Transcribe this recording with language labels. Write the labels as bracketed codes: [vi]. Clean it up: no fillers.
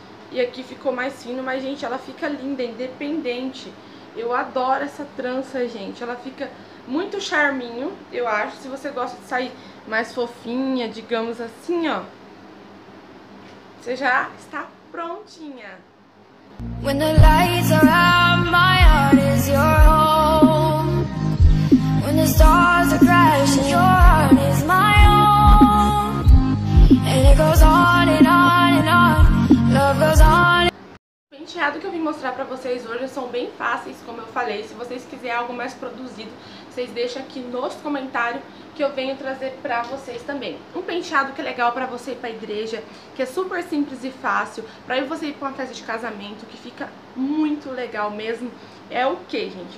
[pt] E aqui ficou mais fino, mas, gente, ela fica linda, independente. Eu adoro essa trança, gente. Ela fica muito charminho, eu acho. Se você gosta de sair mais fofinha, digamos assim, ó, você já está prontinha. [en] When the lights are out, my heart is your home. When the stars are crashing, your heart is my home. And it goes on and on and on. Love goes on. [pt] O penteado que eu vim mostrar pra vocês hoje são bem fáceis, como eu falei. Se vocês quiserem algo mais produzido, vocês deixam aqui nos comentários que eu venho trazer pra vocês também. Um penteado que é legal pra você ir pra igreja, que é super simples e fácil, pra você ir pra uma festa de casamento, que fica muito legal mesmo, é o que, gente?